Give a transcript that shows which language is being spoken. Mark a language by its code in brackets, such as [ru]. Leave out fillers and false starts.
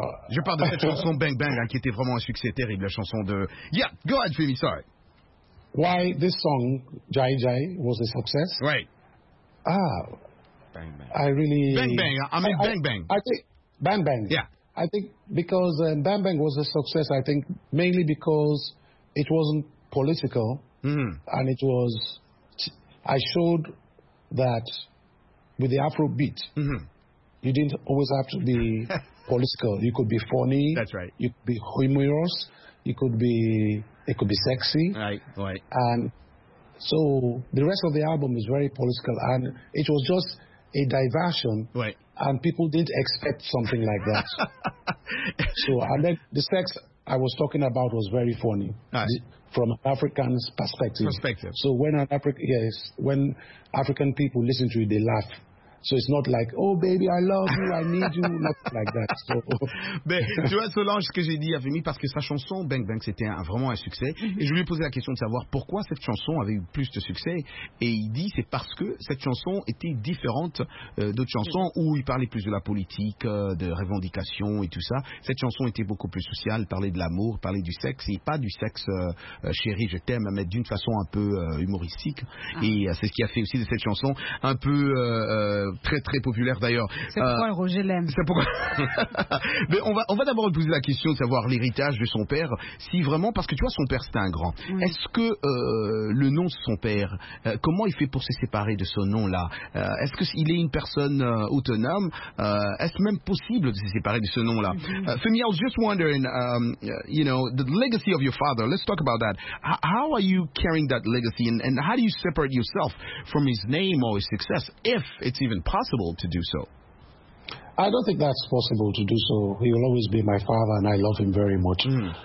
[fr] Je parle de cette chanson Bang Bang, qui était vraiment un succès terrible, la chanson de... [en] Yeah, go ahead Femi, sorry. Why this song, Jai Jai, was a success? Right. Bang Bang. I really... Bang Bang. I mean Bang Bang. I think Bang Bang. Yeah. I think because Bang Bang was a success, I think mainly because it wasn't political. And it was... I showed that with the Afro beat, you didn't always have to be political. You could be funny. That's right. You could be humorous. You could be... It could be sexy. Right, right. And so the rest of the album is very political, and it was just a diversion. Right. And people didn't expect something like that. So, and then the sex I was talking about was very funny. Right. From an African's perspective. Perspective. So when an African people listen to it, they laugh. So it's not like, oh baby, I love you, I need you, not like that. So. [fr] Mais tu vois, Solange, ce que j'ai dit à Femi, parce que sa chanson, Bang Bang, c'était vraiment un succès. Et je lui ai posé la question de savoir pourquoi cette chanson avait eu plus de succès. Et il dit, c'est parce que cette chanson était différente d'autres chansons où il parlait plus de la politique, de revendications et tout ça. Cette chanson était beaucoup plus sociale, parlait de l'amour, parlait du sexe, et pas du sexe chéri, je t'aime, mais d'une façon un peu humoristique. Et c'est ce qui a fait aussi de cette chanson un peu très très populaire d'ailleurs. C'est pourquoi Roger l'aime. C'est pourquoi. Mais on va d'abord lui poser la question de savoir l'héritage de son père, si vraiment, parce que tu vois, son père c'était un grand. Oui. Est-ce que le nom de son père, comment il fait pour se séparer de ce nom-là? Est-ce qu'il est une personne autonome? Est-ce même possible de se séparer de ce nom-là? [en] Femi, I was just wondering, you know, the legacy of your father, let's talk about that. How are you carrying that legacy and how do you separate yourself from his name or his success, if it's even possible to do so? I don't think that's possible to do so. He will always be my father and I love him very much. Mm.